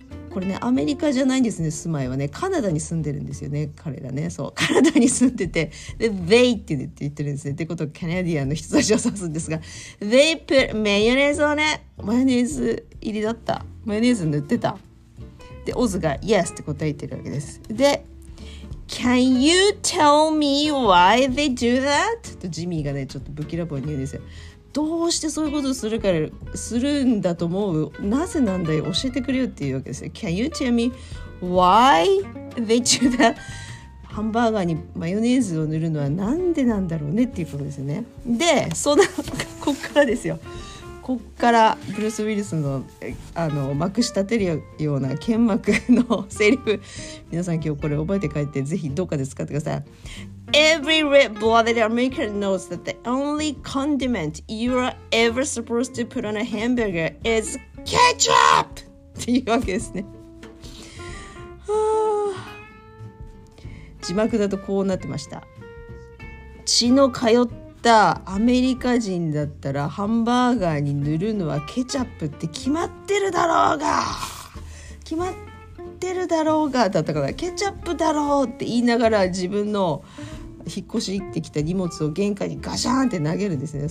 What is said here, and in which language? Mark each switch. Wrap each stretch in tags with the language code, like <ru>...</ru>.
<ja>これねアメリカじゃないんですね、住まいはね、カナダに住んでるんですよね彼らね。そうカナダに住んでて、で They って言ってるんですね、ってことはカナディアンの人たちを指すんですが、</ja> <en>They put mayonnaise on it、</en> <ja>マヨネーズ入りだった、マヨネーズ塗ってた。でオズが Yes って答えてるわけです。</ja> <en>でCan you tell me why they do that?</en> <ja>とジミーがねちょっとぶきらぼうに言うんですよ。どうしてそういうことするからするんだと思う、なぜなんだよ教えてくれよっていうわけですよ。</ja> <en>Can you tell me why they do that?</en> <ja>ハンバーガーにマヨネーズを塗るのはなんでなんだろうねっていうことですね。でそのこっからですよ、こっからブルース・ウィルス の、 あの幕し立てるような剣幕のセリフ、皆さん今日これ覚えて帰ってぜひどうかで使ってください。</ja> <en>Every red-blooded American knows that the only condiment you are ever supposed to put on a hamburger is ketchup!</en> <ja>っていうわけですね。字幕だとこうなってました。血の通ったアメリカ人だったらハンバーガーに塗るのはケチャップって決まってるだろうが、決まってるだろうがだったから、ケチャップだろうって言いながら自分の引っ越し行ってきた荷物を玄関にガシャーンって投げるんですね。</ja>